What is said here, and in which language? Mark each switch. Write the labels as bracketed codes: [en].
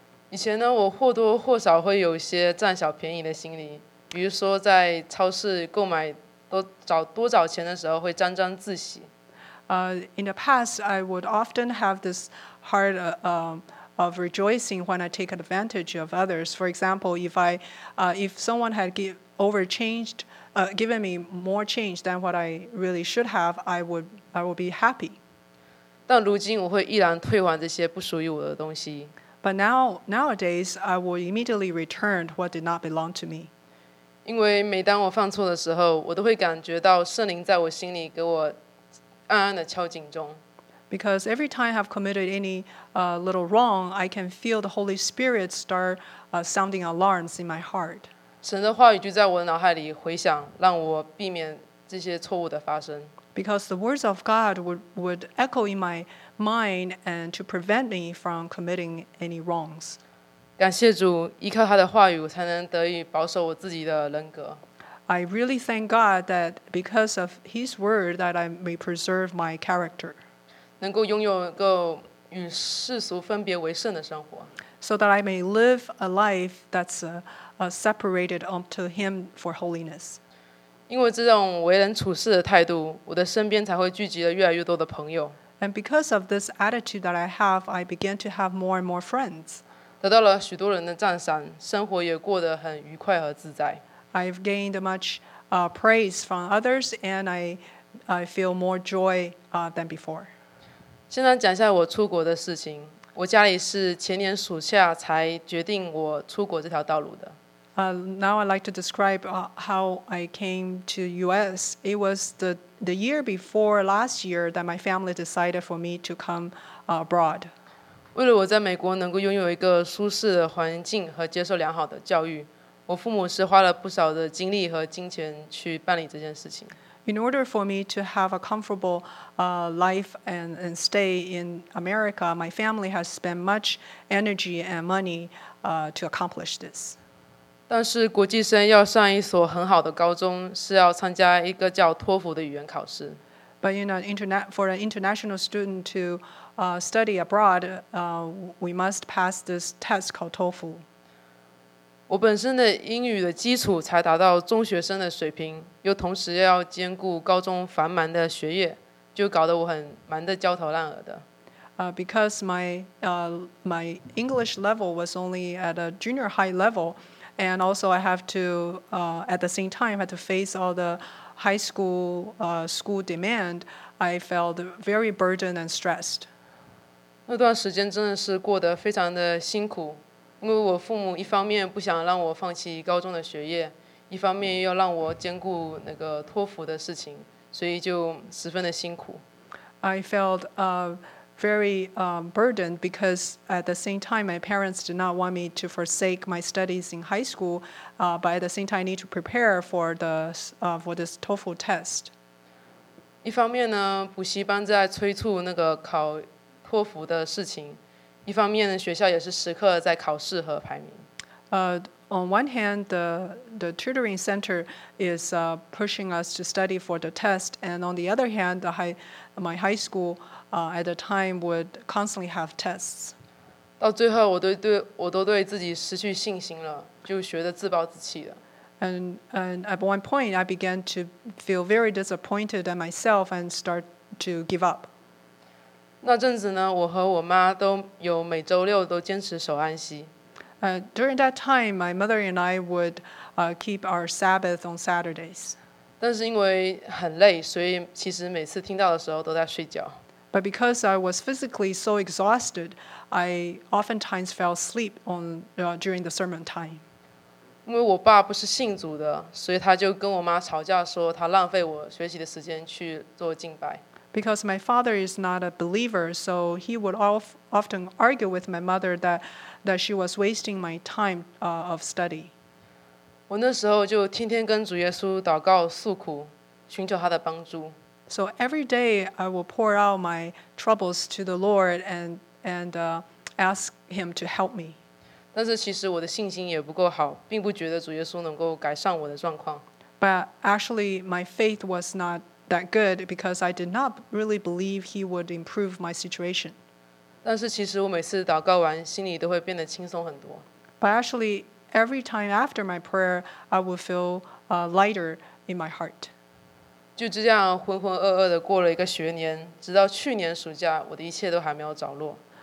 [zh] 以前呢，我或多或少会有些占小便宜的心理，比如说在超市购买多找钱的时候，会沾沾自喜。 [en] In the past, I would often have this heart of rejoicing when I take advantage of others. For example, if someone had given me more change than what I really should have, I would be happy. [zh] 但如今我会毅然退还这些不属于我的东西。 [en] But nowadays, I will immediately return what did not belong to me. [zh] 因为每当我犯错的时候，我都会感觉到圣灵在我心里给我暗暗的敲警钟。 [en] Because every time I've committed any little wrong, I can feel the Holy Spirit start sounding alarms in my heart. [zh] 神的话语就在我的脑海里回响，让我避免这些错误的发生。 [en] Because the words of God would echo in my mind and to prevent me from committing any wrongs. [zh] 感谢主，依靠他的话语，才能得以保守我自己的人格。 [en] I really thank God that because of His word that I may preserve my character. [zh] 能够拥有一个与世俗分别为圣的生活。 [en] So that I may live a life that's separated unto Him for holiness. [zh] 因为这种为人处事的态度，我的身边才会聚集了越来越多的朋友。 [en] And because of this attitude that I have, I began to have more and more friends. [zh] 得到了许多人的赞赏，生活也过得很愉快和自在。 [en] I've gained much praise from others, and I feel more joy than before. [zh] 现在讲一下我出国的事情。我家里是前年暑假才决定我出国这条道路的。 [en] Now I'd like to describe how I came to U.S. It was the year before last year that my family decided for me to come abroad. [zh] 为了我在美国能够拥有一个舒适的环境和接受良好的教育，我父母是花了不少的精力和金钱去办理这件事情。 [en] In order for me to have a comfortable life and stay in America, my family has spent much energy and money to accomplish this. [zh] 但是国际生要上一所很好的高中，是要参加一个叫托福的语言考试。 [en] But in for an international student to study abroad, we must pass this test called TOEFL. [zh] 我本身的英语的基础才达到中学生的水平。又同时要兼顾高中繁忙的学业，就搞得我很忙得焦头烂额的。 [en] Because my English level was only at a junior high level, and also I have to at the same time had to face all the high school school demand, I felt very burdened and stressed. [zh] 那段时间真的是过得非常的辛苦，因为我父母一方面不想让我放弃高中的学业。一方面又让我兼顾那个托福的事情，所以就十分的辛苦。 [en] I felt very burdened because at the same time my parents did not want me to forsake my studies in high school, but at the same time I need to prepare for the for this TOEFL test. [zh] 一方面呢，补习班在催促那个考托福的事情；一方面呢，学校也是时刻在考试和排名。 [en] On one hand, the tutoring center is pushing us to study for the test, and on the other hand, my high school at the time would constantly have tests. [zh] 到最后，我都对自己失去信心了，就学得自暴自弃了。 [en] And at one point, I began to feel very disappointed at myself and start to give up. [zh] 那阵子呢，我和我妈都有每周六都坚持守安息。 [en] During that time, my mother and I would keep our Sabbath on Saturdays. [zh] 但是因为很累，所以其实每次听到的时候都在睡觉。 [en] But because I was physically so exhausted, I oftentimes fell asleep on, during the sermon time. [zh] 因为我爸不是信主的，所以他就跟我妈吵架，说他浪费我学习的时间去做敬拜。 [en] Because my father is not a believer, so he would often argue with my mother that she was wasting my time of study. [zh] 我那时候就天天跟主耶稣祷告诉苦，寻求他的帮助。 [en] So every day I will pour out my troubles to the Lord and ask him to help me. [zh] 但是其实我的信心也不够好，并不觉得主耶稣能够改善我的状况。 [en] But actually my faith was not that good because I did not really believe he would improve my situation. [zh] 但是其实我每次祷告完，心里都会变得轻松很多。 [en] But actually every time after my prayer, I would feel lighter in my heart. [zh] 就这样浑浑噩噩的过了一个学年，直到去年暑假，我的一切都还没有着落。